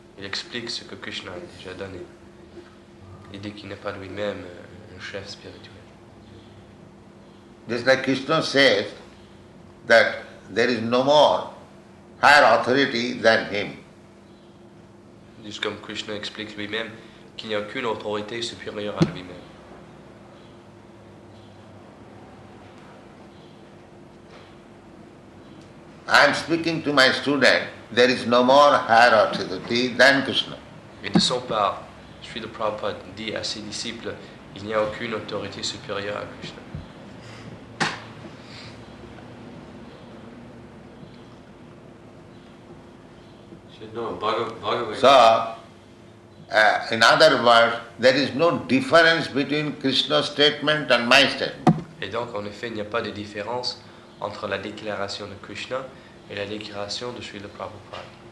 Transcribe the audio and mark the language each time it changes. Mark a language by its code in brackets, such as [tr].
[fr] Il explique ce que Krishna a déjà donné. Il dit qu'il n'est pas lui-même un chef spirituel. [en] Just like Krishna says that there is no more higher authority than him. [fr] Juste comme Krishna explique lui-même qu'il n'y a aucune autorité supérieure à lui-même. [en] I am speaking to my student, there is no more higher authority than Krishna. [fr] Et de son part, Srila Prabhupada dit à ses disciples, il n'y a aucune autorité supérieure à Krishna. [en] So, in other words, there is no difference between Krishna's statement and my statement. [fr] Et donc, en effet, il n'y a pas de différence entre la déclaration de Krishna et la déclaration de Srila Prabhupada.